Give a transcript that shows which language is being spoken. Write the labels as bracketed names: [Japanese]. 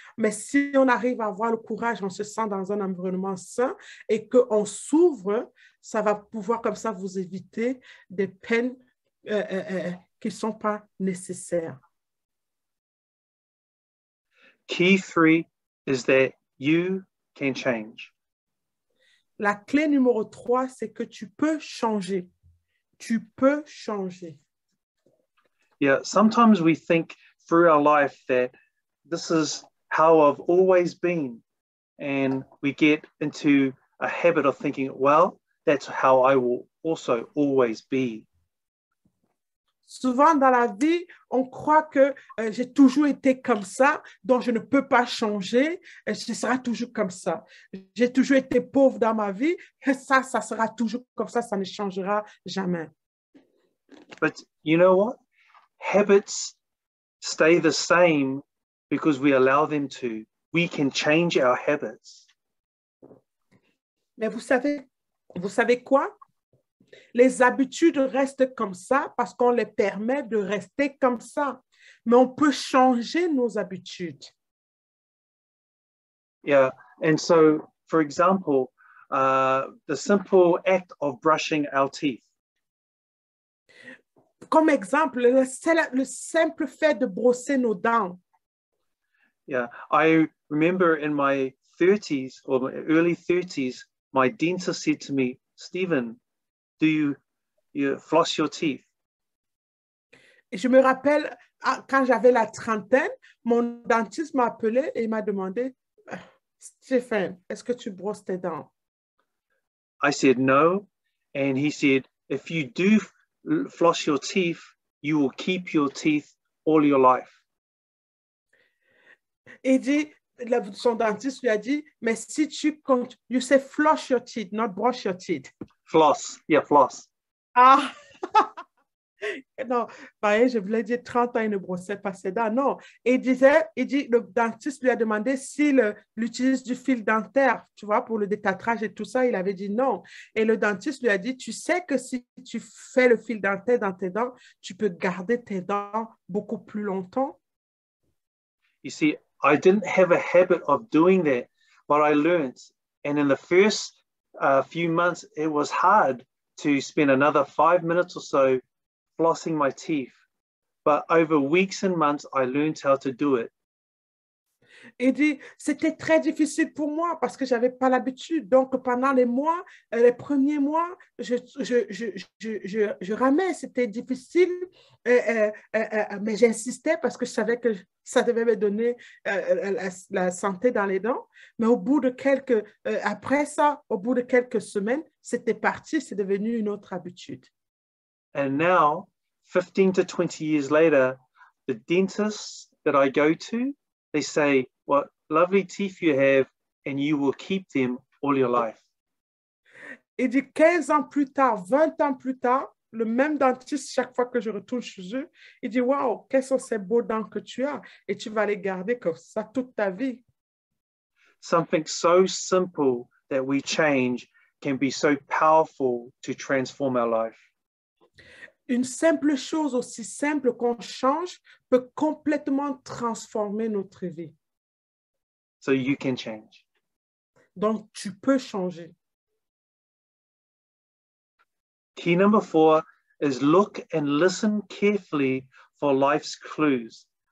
[French] Mais si on arrive à avoir le courage, on se sent dans un environnement sain et qu'on s'ouvre, ça va pouvoir comme ça vous éviter des peines qui ne sont pas nécessaires. [English] Key three is that you can change. [French] La clé numéro trois, c'est que tu peux changer. Tu peux changer. [English] Yeah, sometimes we think through our life that this is how I've always been. And we get into a habit of thinking, well, that's how I will also always be. [French] Souvent dans la vie, on croit que j'ai toujours été comme ça, donc je ne peux pas changer, ce sera toujours comme ça. J'ai toujours été pauvre dans ma vie, et ça sera toujours comme ça, ça ne changera jamais. [English] But you know what? Habits stay the same because we allow them to. We can change our habits. [French] Mais vous savez quoi? Les habitudes restent comme ça parce qu'on les permet de rester comme ça. Mais on peut changer nos habitudes. [English] Yeah, and so, for example, the simple act of brushing our teeth. [French] Comme exemple, le simple fait de brosser nos dents. [English] Yeah, I remember in my 30s, or my early 30s, my dentist said to me, Stephen, do you floss your teeth? [French] Et je me rappelle quand j'avais la trentaine, mon dentiste m'a appelé et m'a demandé, Stephen, est-ce que tu brosses tes dents? [English] I said no, and he said, if you do floss your teeth, you will keep your teeth all your life. [French] Il dit, son dentiste lui a dit, mais si tu comptes, [English] you say floss your teeth, [French] not brush your teeth. [English] Floss. Yeah, floss. Ah! [French] Non, pareil, je voulais dire 30 ans, il ne brossait pas ses dents. Non, il disait, il dit, le dentiste lui a demandé s'il utilise du fil dentaire, tu vois, pour le détartrage et tout ça. Il avait dit non. Et le dentiste lui a dit, tu sais que si tu fais le fil dentaire dans tes dents, tu peux garder tes dents beaucoup plus longtemps. [English] You see, I didn't have a habit of doing that, but I learned. And in the first few months, it was hard to spend another 5 minutes or so flossing my teeth, but over weeks and months, I learned how to do it. [French] Il dit, c'était très difficile pour moi parce que j'avais pas l'habitude. Donc pendant les premiers mois, je ramais, c'était difficile, mais j'insistais parce que je savais que ça devait me donner la santé dans les dents. Mais au bout de quelques semaines, c'était parti, c'est devenu une autre habitude. [English] And now, 15 to 20 years later, the dentists that I go to, they say, what lovely teeth you have, and you will keep them all your life. [French] Et dit 15 ans plus tard, 20 ans plus tard, le même dentiste, chaque fois que je retourne chez eux, il dit, wow, quelles sont ces beaux dents que tu as, et tu vas les garder comme ça toute ta vie. [English] Something so simple that we change can be so powerful to transform our life. [French] Une simple chose aussi simple qu'on change peut complètement transformer notre vie. [English] So you can change. [French] Donc, tu peux changer. [English] Key number four is look and listen carefully for life's clues.